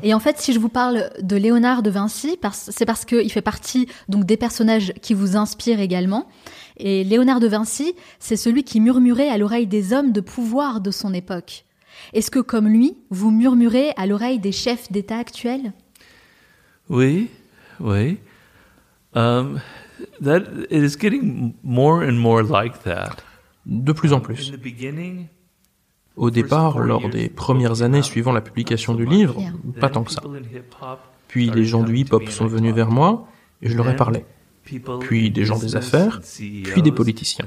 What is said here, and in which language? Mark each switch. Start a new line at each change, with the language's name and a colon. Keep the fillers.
French: Et en fait, si je vous parle de Léonard de Vinci, parce- c'est parce qu'il fait partie donc des personnages qui vous inspirent également. Et Léonard de Vinci, c'est celui qui murmurait à l'oreille des hommes de pouvoir de son époque. Est-ce que, comme lui, vous murmurez à l'oreille des chefs d'État actuels Oui, oui.
English: Um, that it is getting more and more like that.
French: De plus en plus.
English: In the beginning,
French: Au départ, lors des premières années suivant la publication du livre, Bien. pas
English: then
French: tant que ça.
English: people in hip-hop
French: Puis les gens du hip-hop sont venus vers moi et je leur ai parlé. puis des gens des affaires, puis des politiciens.